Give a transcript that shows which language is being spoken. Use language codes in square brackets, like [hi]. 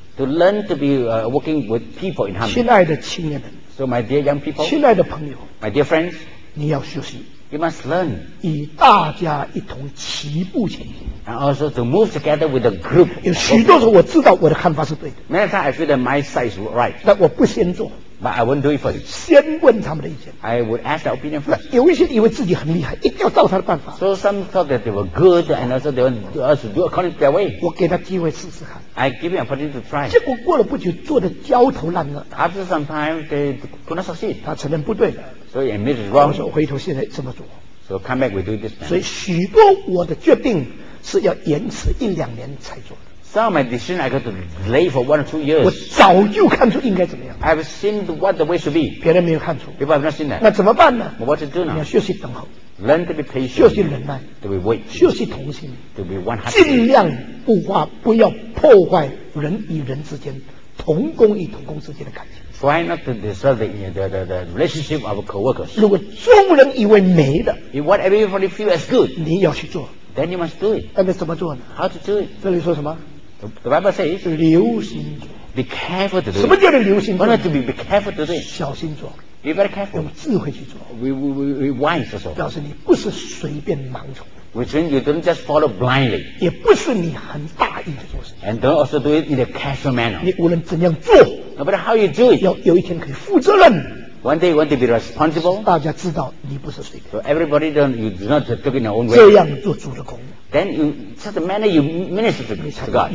[en] To learn to be working with people in harmony. [zh] 亲爱的青年人。 [en] So my dear young people. [zh] 亲爱的朋友。 [en] My dear friends. [zh] 你要学习。 [en] You must learn. [zh] 与大家一同齐步前行。 [en] And also to move together with the group. [zh] 有许多时候我知道我的看法是对的。 [en] Many times I feel that my side is right. [zh] 但我不先做。 [en] But I won't do it for you. [zh] 先问他们的意见。 [en] I would ask their opinion first. [zh] 有一些以为自己很厉害，一定要照他的办法。 [en] So some thought that they were good, and also they want us to do according to their way. [zh] 我给他机会试试看。 [en] I give him an opportunity to try. [zh] 结果过了不久，做得焦头烂额。 [en] After some time, they could not succeed. [zh] 他承认不对了。 [en] So he admitted wrong. [zh] 我说回头现在这么做。 [en] So come back, we do this. [zh] 所以许多我的决定是要延迟一两年才做的。 [en] Some of my decision I got to delay for 1 or 2 years. [zh] 我早就看出应该怎么样。 [en] I've seen what the way should be. [zh] 别人没有看出。 [en] People have not seen that. [zh] 那怎么办呢？ [en] But what to do now? [zh] 你要学习等候。 [en] Learn to be patient. [zh] 学习忍耐。 [en] To be wait. [zh] 学习同心。 [en] To be 100. [zh] 尽量不花，不要破坏人与人之间同工与同工之间的感情。 [en] Try not to disturb the relationship of co-workers. [zh] 如果众人以为美的。 [en] If what everybody feels as good. [zh] 你要去做。 [en] Then you must do it. [zh] 但是怎么做呢？ [en] How to do it? [zh] 这里说什么？ [en] The Bible says, [zh] 留心做。 [en] Be careful to do. [zh] 什么叫做留心做？ [en] What do you mean? Be careful to do. [zh] 小心做。 [en] Be very careful. [zh] 用智慧去做。 [en] We wise also. [zh] 表示你不是随便盲从。 [en] Which means you don't just follow blindly. [zh] 也不是你很大意的做事。 [en] And don't also do it in a casual manner. [zh] 你无论怎样做。 [en] No matter how you do it. [zh] 要有一天可以负责任。 [en] One day you want to be responsible. [zh] 大家知道你不是随便。 [en] So everybody don't, you do not just do it in your own way. [zh] 这样做主的工。 [en] Then you, such a manner you minister to God.